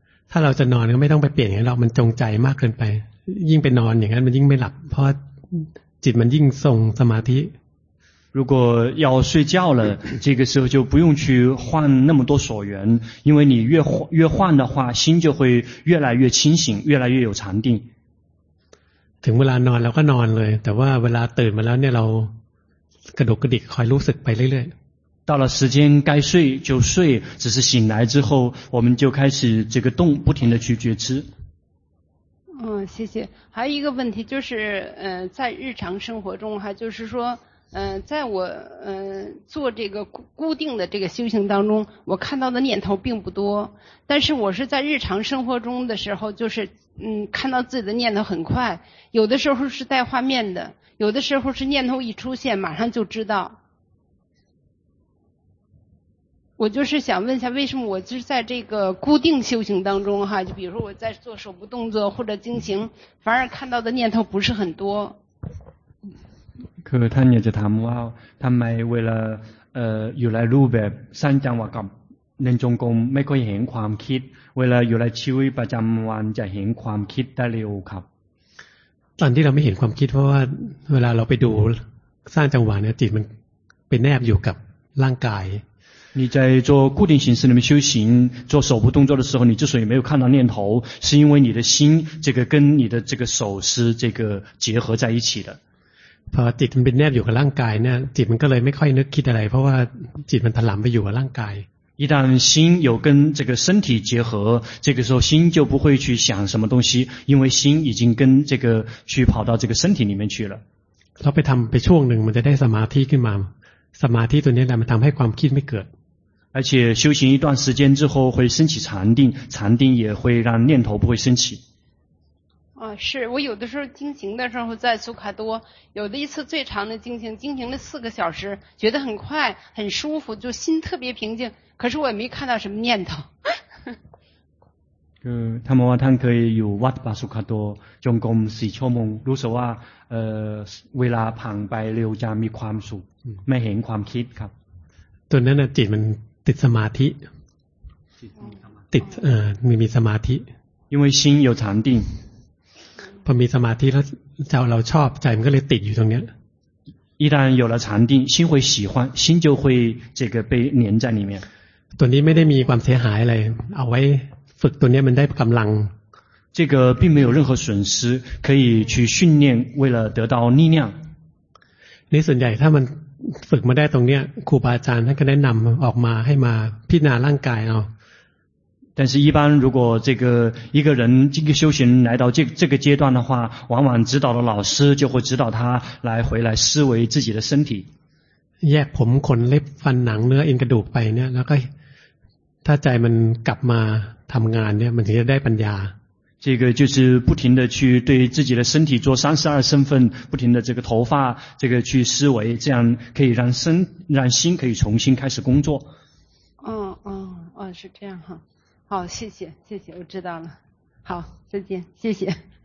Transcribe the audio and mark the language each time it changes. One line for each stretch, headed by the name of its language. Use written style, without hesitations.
Thai: ถ้าเราจะนอนก็ไม่ต้องไปเปลี่ยนอย่างนั้นหรอกมันจงใจมากเกินไปยิ่งไปนอนอย่างนั้นมันยิ่งไม่หลับเพราะจิตมันยิ่งทรงสมาธิ
Chinese: 如果要睡觉了，这个时候就不用去换那么多所缘，因为你越换的话，心就会越来越清醒，越来越有禅定。
Thai: ถึงเวลานอนเราก็นอนเลยแต่ว่าเวลาตื่นมาแล้วเนี่ยเรากระดกกระดิกคอยรู้สึกไปเรื่อย
Chinese: ๆ到了时间该睡就睡，只是醒来之后我们就开始这个动，不停的去觉知。嗯，谢谢。还有一个问题就是，在日常生活中哈，就是说，在我做这个固定的这个修行当中，我看到的念头并不多，但是我是在日常生活中的时候，就是看到自己的念头很快，有的时候是带画面的，有的时候是念头一出现马上就知道。我就是想问一下，为什么我就是在这个固定修行当中哈，就比如说我在做手部动作或者经行，反而看到的念头不是很多。
Thai: คือท่านอยากจะถามว่าทำไมเวลาอยู่ในรูปแบบสั้นจังหวะกับเดินจงกรมไม่ค่อยเห็นความคิดเวลาอยู่ในชีวิตประจำวันจะเห็นความคิดได้เร็วครับ ตอนที่เราไม่เห็นความคิดเพราะว่าเวลาเราไปดูสั้นจังหวะเนี่ยจิตมันไปแนบอยู่กับร่างกาย
Chinese: 你在做固定形式里面修行做手部动作的时候你之所以没有看到念头是因为你的心这个跟你的这个手是这个结合在一起的
Thai: พอจิตมันเป็นแนบอยู่กับร่างกายเนี่ยจิตมันก็เลยไม่ค่อยนึกคิดอะไรเพราะว่าจิตมันถลำไปอยู่กับร่างกาย
Chinese: 一旦心有跟这个身体结合这个时候心就不会去想什么东西因为心已经跟这个去跑到这个身体里面去了
Thai: เราไปทำไปช่วงหนึ่งมันจะได้สมาธิขึ้นมาสมาธิตัวนี้แหละมันทำให้ความคิดไม่เกิด
Chinese: 而且修行一段时间之后会升起禅定禅定也会让念头不会升起啊，是我有的时候经行的时候在苏卡多，有的一次最长的经行了4个小时，觉得很快很舒服，就心特别平静。可是我也没看到什么念头。他们说他可以有
Thai: วัดป่าสุขะตัว จงกรม 4 ชั่วโมง รู้สึกว่าเวลาผ่านไปเร็วจะมีความสุขไม่เห็นความคิดครับ ตอนนั้นน่ะจิตมันติดสมาธิติดมีสมาธิ
Chinese: 因为心有禅定
Thai: พอมีสมาธิแล้วใจเราชอบใจมันก็เลยติดอยู่ตรงนี้
Chinese: 一旦有了禅定心会喜欢心就会这个被黏在里面
Thai: ตัวนี้ไม่ได้มีความเสียหายอะไรเอาไว้ฝึกตัวนี้มันได้กำลัง
Chinese: 这个并没有任何损失可以去训练为了得到力量
Thai: ในส่วนใหญ่ถ้ามันฝึกมาได้ตรงนี้ครูบาอาจารย์ท่านก็แนะนำออกมาให้มาพิจารณาร่างกายเอา
Chinese: 但是一般如果这个一个人这个修行来到这个阶段的话往往指导的老师就会指导他来回来思维自己的身体
Thai: แยกผมขนเล็บฟันหนังเนื้อเอ็นกระดูกไปเนี่ยแล้วก็ถ้าใจมันกลับมาทำงานเนี่ยมันถึงจะได้ปัญญา
Chinese: 这个就是不停的去对自己的身体做32身分不停的这个头发这个去思维这样可以让心可以重新开始工作哦是这样哈好，谢谢，谢谢，我知道了。好，再见，谢谢。